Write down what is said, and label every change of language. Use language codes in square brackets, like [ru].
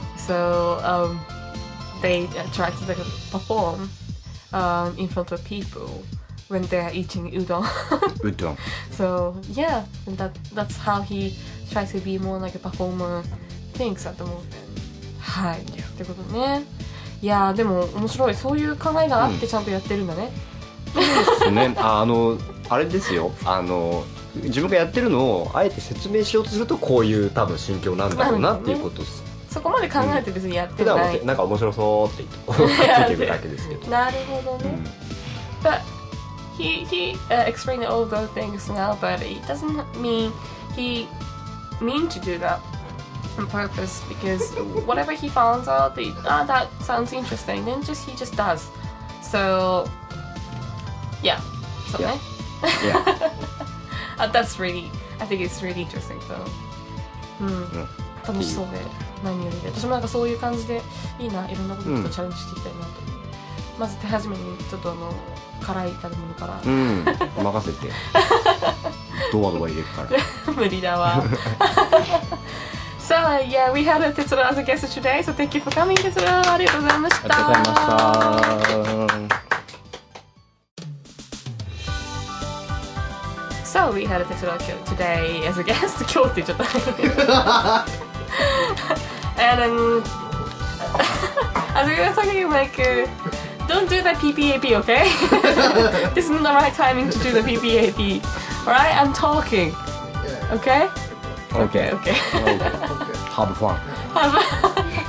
[en] So they try to like perform in front of people when they're eating udon. Udon. So yeah, that's how he tries to be more like a performer things at the moment. [ja] はい、ってことね。いやーでも面白い、そういう考えがあってちゃんとやってるんだね。そうですね。あのあれですよ、あの自分がやってるのをあえて説明しようとするとこういう多分心境なんだろうなっていうことです。そこまで考えて別にやってない、うん、普段なんか面白そうって言って聞いていくだけですけど。なるほどね、うん、But [en] he explained all those things now, but it doesn't mean he mean to do that on purpose, because whatever he finds out, that sounds interesting, then he just does. So yeah, it's okay. Yeah. That's really, I think it's really interesting though. [ja] Mm. 楽しそうで、何よりで。私もなんかそういう感じでいいな、いろんなことちょっとチャレンジしていきたいなと、うん、まず手始めにちょっと辛い食べ物から、うん、任せてドアドア入れるから無理だわ [en] So yeah, we had Tetsuro as a guest today, so thank you for coming, Tetsuro. [ja] ありがとうございました。ありがとうございました。 [en] So we had Tetsuro today as a guest. [ja] 今日って言っちゃった。 [en] And as we were talking, like, don't do that PPAP, okay? This isn't the right timing to do the PPAP. Alright, I'm talking. Okay? Okay. Okay. Have fun. Have fun.